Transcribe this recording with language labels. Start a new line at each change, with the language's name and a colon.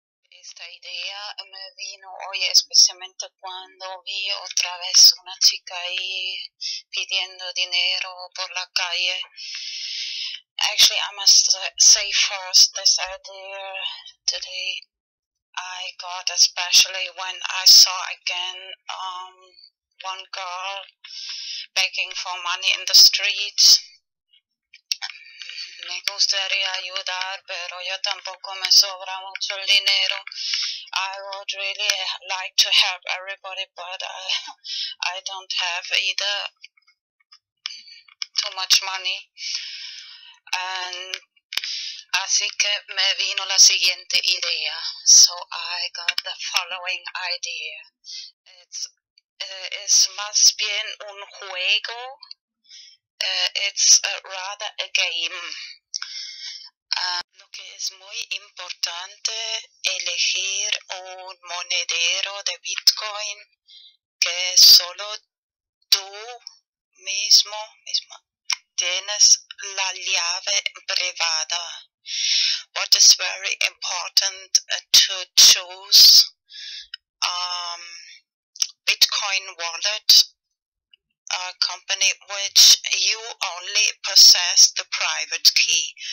Spanish: esta idea me vino hoy, especialmente cuando vi otra vez una chica ahí pidiendo dinero por la calle.
English: Actually, I'm a say first this idea today. I got especially when I saw again one girl begging for money in the streets.
Spanish: Me gustaría ayudar, pero yo tampoco me sobra mucho el dinero.
English: I would really like to help everybody, but I don't have either too much money.
Spanish: And así que me vino la siguiente idea.
English: So I got the following idea.
Spanish: Es más bien un juego.
English: It's rather a game.
Spanish: Lo que es muy importante, elegir un monedero de Bitcoin que solo tú mismo tienes la llave privada.
English: What is very important to choose Bitcoin wallet, a company which you only possess the private key.